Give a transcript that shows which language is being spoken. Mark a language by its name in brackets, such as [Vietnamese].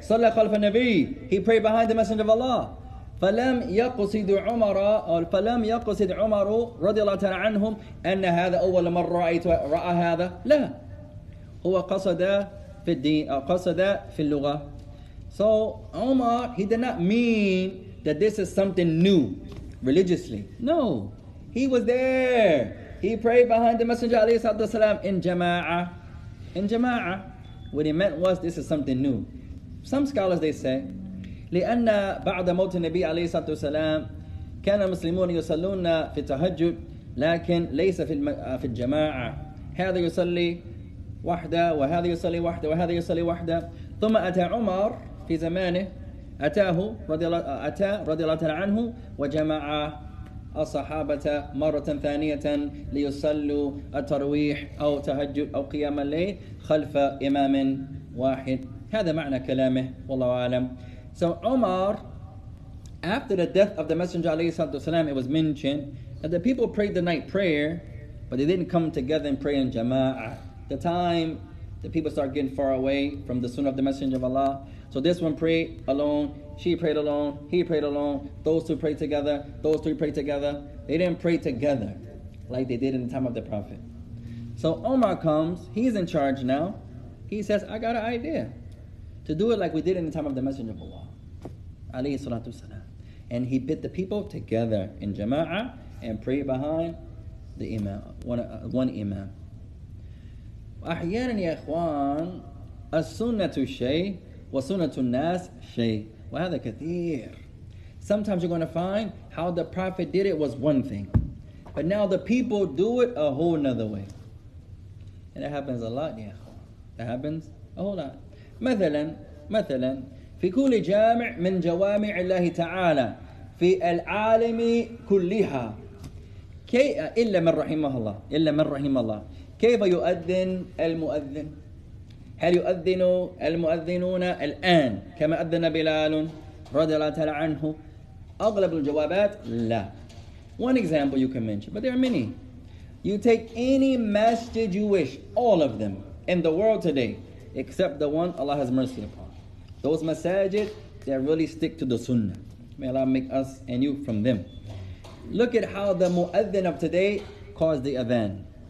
[Arabic] Salla khalfa nabi. [English] He prayed behind the Messenger of Allah. [Arabic] فَلَمْ يَقْصِدْ عُمَرَ أَوْ فَلَمْ يَقْصِدْ عُمَرُ رَضِيَ اللَّهُ تَعَالَى عَنْهُمْ أَنَّ هَذَا أَوَّلَ مَرَّةٍ رَأَيْتُ رَأَى هَذَا لَا هُوَ قَصَدَ فِي الدِّينِ قَصَدَ فِي اللُّغَةِ. [English] So Umar, he did not mean that this is something new religiously. No, he was there. He prayed behind the Messenger عليه الصلاة والسلام in jama'a. In jama'a. What he meant was this is something new. Some scholars, they say, [Arabic] لأن بعد موت النبي عليه الصلاة والسلام كان المسلمون يصلون في التهجد لكن ليس في الجماعة. هذا يصلي وحده وهذا يصلي وحده وهذا يصلي وحده. ثم أتى عمر في زمانه أتى رضي الله عنه وجمع الصحابة مرة ثانية ليصلوا الترويح أو تهجد أو قيام الليل خلف إمام واحد. هذا معنى كلامه والله أعلم. [English] So Umar, after the death of the Messenger alayhi salatu wasalam, it was mentioned that the people prayed the night prayer, but they didn't come together and pray in jama'ah. The time the people start getting far away from the sunnah of the Messenger of Allah. So this one prayed alone, she prayed alone, he prayed alone, those two prayed together, those three prayed together. They didn't pray together like they did in the time of the Prophet. So Umar comes, he's in charge now. He says, I got an idea. To do it like we did in the time of the Messenger of Allah, alayhi salatu wasalam. And he bid the people together in jama'ah and pray behind the imam, one imam. [Arabic] وَأَحْيَانًا يَا أَخْوَانَ السُنَّةُ شَيْءٌ وَسُنَّةُ النَّاسِ شَيْءٌ وَهَذَا كَثِيرٌ. [English] Sometimes you're going to find how the Prophet did it was one thing, but now the people do it a whole another way. And it happens a lot, يا أخوان. It happens a whole lot. [Arabic] مثلا في كل جامع من جوامع الله تعالى في العالم كلها كي إلا من رحمه الله إلا من رحم الله. كيف يؤذن المؤذن؟ هل يؤذن المؤذنون الآن كما أذن بلال رضي الله تعالى عنه؟ أغلب الجوابات لا. [English] One example you can mention, but there are many. You take any masjid you wish, all of them in the world today, except the one Allah has mercy upon. Those masajid, they really stick to the sunnah. May Allah make us and you from them. Look at how the muadhin of today caused the adhan.